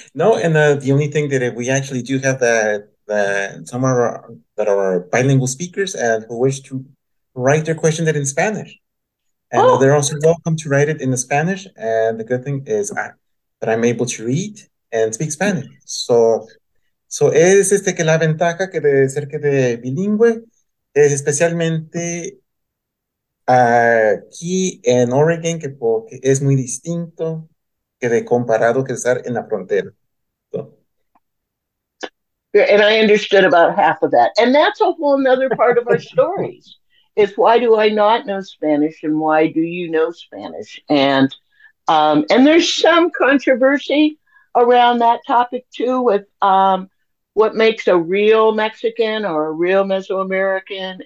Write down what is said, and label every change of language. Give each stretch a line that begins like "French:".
English: No, and the only thing that we actually do have that some are that are bilingual speakers and who wish to write their question that in Spanish. And they're also welcome to write it in the Spanish. And the good thing is that I'm able to read and speak Spanish.
Spanish: So es este que la ventaja que de ser que de bilingüe es especialmente aquí en Oregon que porque es muy distinto que de comparado que estar en la frontera.
English: So. And I understood about half of that. And that's a whole another part of our stories. Is why do I not know Spanish and why do you know Spanish? And And there's some controversy around that topic too, with what makes a real Mexican or a real Mesoamerican.